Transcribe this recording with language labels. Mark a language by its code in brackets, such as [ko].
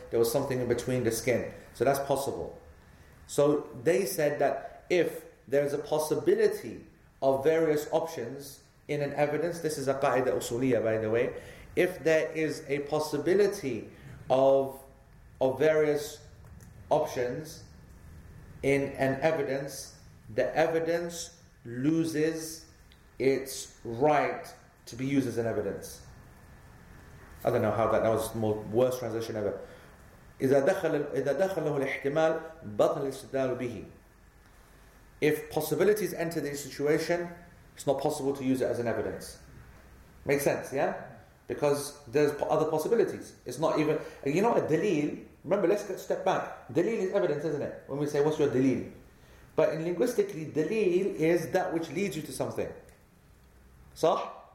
[en] There was something in between the skin. So that's possible. So they said that if there is a possibility of various options in an evidence, this is a qaida usuliyah, by the way, if there is a possibility of various options in an evidence, the evidence loses its right to be used as an evidence. I don't know how that was the worst translation ever. [ar] إذا دخل الاحتمال بطل الاستدلال به. [en] If possibilities enter the situation, it's not possible to use it as an evidence. Makes sense, yeah? Because there's other possibilities. It's not even, you know, a dalil. Remember, let's step back. Dalil is evidence, isn't it? When we say, what's your dalil? But in linguistically, dalil is that which leads you to something. Sah?